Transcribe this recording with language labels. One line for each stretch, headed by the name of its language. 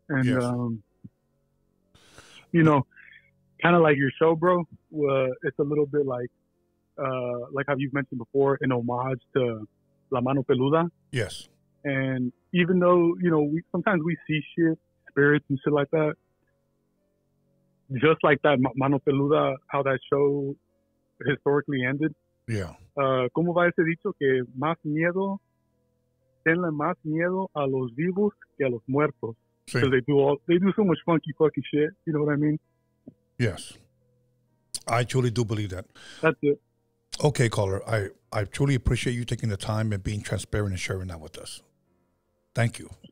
English: And, yes. You know, kind of like your show, bro, it's a little bit like how you've mentioned before, an homage to La Mano Peluda. Yes. And even though, you know, we sometimes see shit, spirits and shit like that, just like that Mano Peluda, how that show historically ended. Yeah.
Spanish: Como va ese dicho que más miedo, tenle más miedo a los vivos que a los muertos.
English: Because they do so much funky fucking shit. You know what I mean? Yes. I truly do believe that. That's it. Okay, caller. I truly appreciate you taking the time and being transparent and sharing that with us. Thank you.